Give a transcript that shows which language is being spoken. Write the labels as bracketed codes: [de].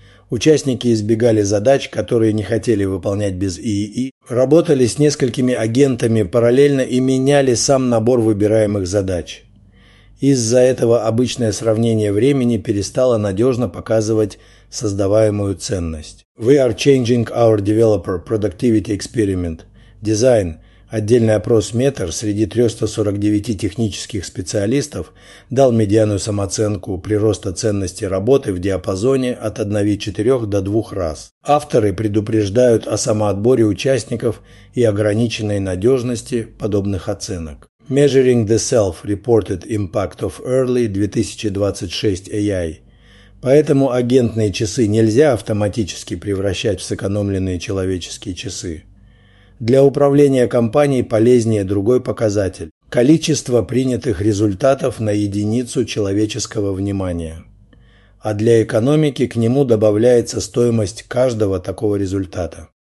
[ru] Участники избегали задач, которые не хотели выполнять без ИИ, работали с несколькими агентами параллельно и меняли сам набор выбираемых задач. Из-за этого обычное сравнение времени перестало надежно показывать создаваемую ценность. [en] We are changing our developer productivity experiment. [ru] Дизайн – отдельный опрос Метр среди 349 технических специалистов дал медианную самооценку прироста ценности работы в диапазоне от 1,4 до 2 раз. Авторы предупреждают о самоотборе участников и ограниченной надежности подобных оценок. [en] Measuring the Self-Reported Impact of Early 2026 AI. [ru] Поэтому агентные часы нельзя автоматически превращать в сэкономленные человеческие часы. Для управления компанией полезнее другой показатель – количество принятых результатов на единицу человеческого внимания. А для экономики к нему добавляется стоимость каждого такого результата.